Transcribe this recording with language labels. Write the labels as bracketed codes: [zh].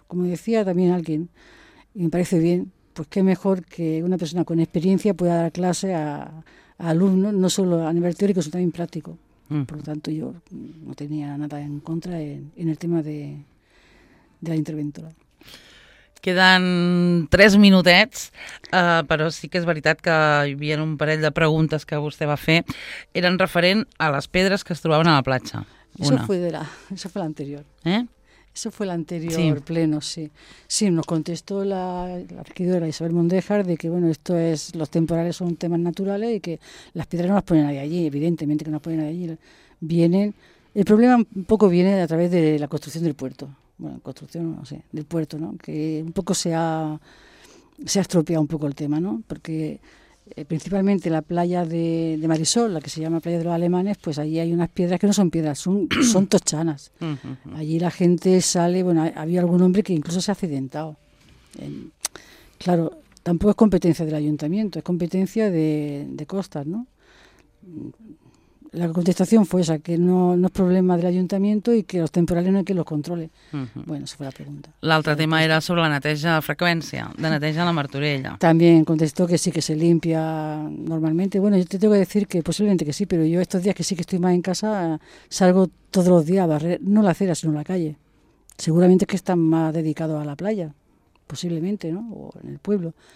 [es] Como decía también alguien, y me parece bien, pues qué mejor que una persona con experiencia pueda dar clase a alumnos, no solo a nivel teórico, sino también práctico. Por lo tanto, yo no tenía nada en contra en el tema de la interventora. [ca] Queden tres minutets, però sí que és veritat que hi havia un parell de preguntes que vostè va fer, eren referent a les pedres que es trobaven a la platja. [es] Eso fue l'anterior. Eso fue l'anterior, sí. Pleno, sí. Sí, nos contestó la regidora Isabel Mondéjar de que, bueno, esto es, los temporales son temas naturales y que las pedras no las ponen ahí allí, evidentemente que no las ponen ahí allí. Vienen, el problema un poco viene a través de la construcción del puerto. Bueno, construcción, no sé, del puerto, ¿no? Que un poco se ha estropeado un poco el tema, ¿no? Porque principalmente la playa de Marisol, la que se llama Playa de los Alemanes, pues allí hay unas piedras que no son piedras, son tochanas. Uh-huh. Allí la gente sale, bueno, había algún hombre que incluso se ha accidentado. Claro, tampoco es competencia del ayuntamiento, es competencia de costas, ¿no? La contestación fue esa, que no es problema del ayuntamiento y que los temporales no hay que los controle. Uh-huh. Bueno, esa fue la pregunta. [ca] L'altre tema era sobre la neteja de freqüència, de neteja a la Martorella. [es] También contestó que sí, que se limpia normalmente. Bueno, yo te tengo que decir que posiblemente que sí, pero yo estos días que sí que estoy más en casa, salgo todos los días a barrer, no la acera, sino la calle. Seguramente es que están más dedicados a la playa, posiblemente, ¿no? O en el pueblo.